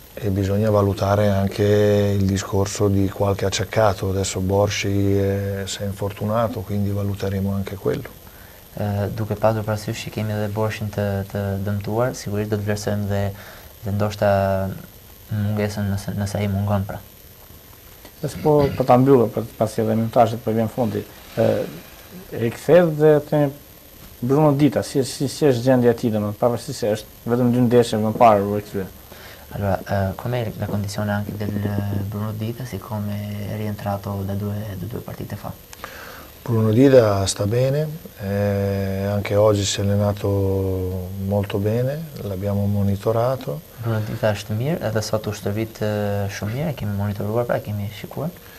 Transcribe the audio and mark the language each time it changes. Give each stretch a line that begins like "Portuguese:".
Italian: bisogna valutare anche il discorso di qualche acciaccato. Adesso Borsci si è infortunato, quindi valuteremo anche quello.
Albanian: Duke pasur parasysh kemi edhe Borshin të dëmtuar, sigurisht do të vlerësojmë dhe ndoshta mungesën nëse ai mungon pra. Pas po për ta mbyllur pasi edhe minutazhet po vjen fundi. Rikthehet dhe te Bruno Dita, si është gjendja e tij domun, pavarësisht se është vetëm dy ndeshje më parë u rikthye.
Italian: Allora, com'è la condizione anche del Bruno Dita, siccome è rientrato da due partite fa? Bruno Dida sta bene, anche oggi si è allenato molto bene, l'abbiamo monitorato.
Albanian: Bruno Dida është mirë, edhe sot u shtërvit shumë mirë, kemi monitoruar, pra kemi shikuar.